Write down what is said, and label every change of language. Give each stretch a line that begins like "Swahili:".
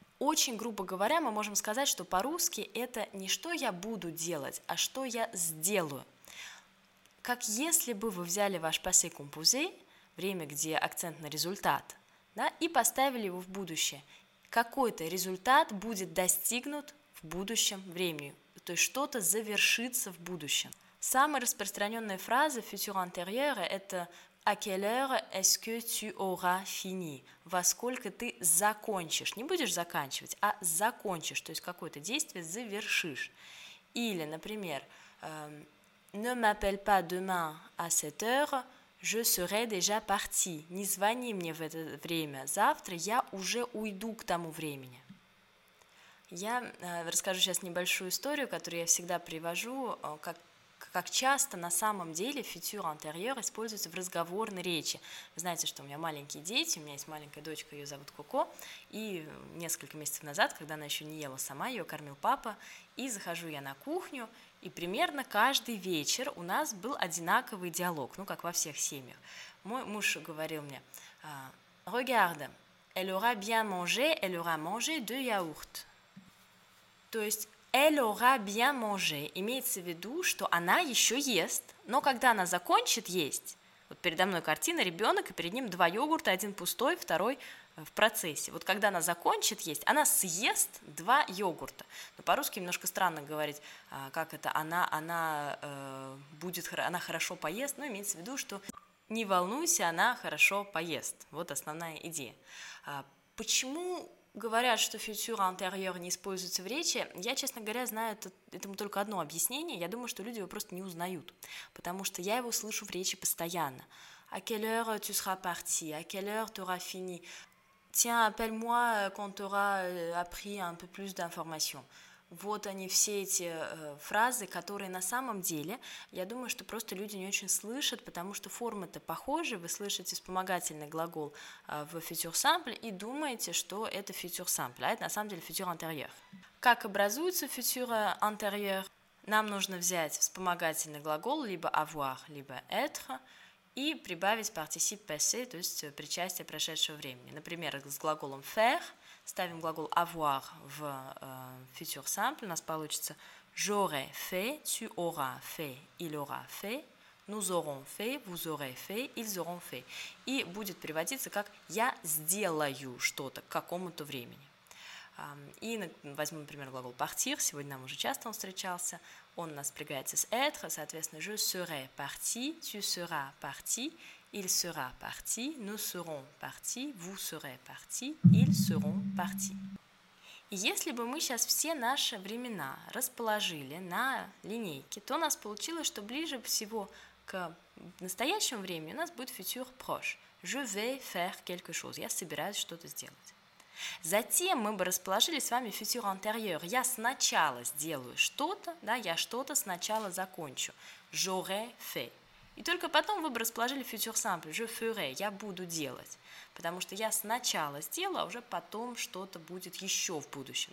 Russian: Очень грубо говоря, мы можем сказать, что по-русски это не «что я буду делать», а «что я сделаю». Как если бы вы взяли ваш passé composé, время, где акцент на результат, да, и поставили его в будущее. Какой-то результат будет достигнут в будущем времени, то есть что-то завершится в будущем. Самая распространенная фраза «futur antérieur» – это
French: «à quelle heure est-ce que tu auras fini?»
Russian: «Во сколько ты закончишь?» Не будешь заканчивать, а закончишь, то есть какое-то действие завершишь. Или, например,
French: «ne m'appelle pas demain à 7 heures, je serai déjà parti».
Russian: «Не звони мне в это время завтра, я уже уйду к тому времени». Я расскажу сейчас небольшую историю, которую я всегда привожу, как часто на самом деле «future antérieur» используется в разговорной речи. Вы знаете, что у меня маленькие дети, у меня есть маленькая дочка, ее зовут Коко, и несколько месяцев назад, когда она еще не ела сама, ее кормил папа, и захожу я на кухню, и примерно каждый вечер у нас был одинаковый диалог, ну, как во всех семьях. Мой муж говорил мне:
French: «Regarde, elle aura bien mangé, elle aura mangé deux yaourts».
Russian: То есть
French: «elle aura bien mangé»
Russian: имеется в виду, что она еще ест, но когда она закончит есть, вот передо мной картина, ребенок, и перед ним два йогурта, один пустой, второй в процессе. Вот когда она закончит есть, она съест два йогурта. Но по-русски немножко странно говорить, как это она хорошо поест, но имеется в виду, что не волнуйся, она хорошо поест. Вот основная идея. Почему говорят, что «futur antérieur» не используется в речи? Я, честно говоря, знаю этому только одно объяснение. Я думаю, что люди его просто не узнают, потому что я его слышу в речи постоянно.
French: «À quelle heure tu seras parti? À quelle heure tu auras fini? Tiens, appelle-moi quand tu auras appris un peu plus d'informations».
Russian: Вот они, все эти фразы, которые на самом деле, я думаю, что просто люди не очень слышат, потому что формы-то похожи, вы слышите вспомогательный глагол в «future simple» и думаете, что это «future simple», а это на самом деле «future antérieur». Как образуется «future antérieur»? Нам нужно взять вспомогательный глагол либо «avoir», либо «être», и прибавить participe passé, то есть причастие прошедшего времени. Например, с глаголом faire ставим глагол avoir в future simple, у нас получится
French: j'aurais fait, tu auras fait, il aura fait, nous aurons fait, vous aurez fait, ils auront fait.
Russian: И будет приводиться как я сделаю что-то к какому-то времени. И возьмем, например, глагол partir, сегодня нам уже часто он встречался, он у нас прилагается с être, соответственно,
French: je serai parti, tu seras parti, il sera parti, nous serons partis, vous serez parti, ils seront partis.
Russian: И если бы мы сейчас все наши времена расположили на линейке, то у нас получилось, что ближе всего к настоящему времени у нас будет futur proche.
French: Je vais faire quelque chose,
Russian: я собираюсь что-то сделать. Затем мы бы расположили с вами futur antérieur. Я сначала сделаю что-то, да, я что-то сначала закончу.
French: J'aurai fait.
Russian: И только потом вы бы расположили futur simple.
French: Je ferai.
Russian: Я буду делать. Потому что я сначала сделаю, а уже потом что-то будет еще в будущем.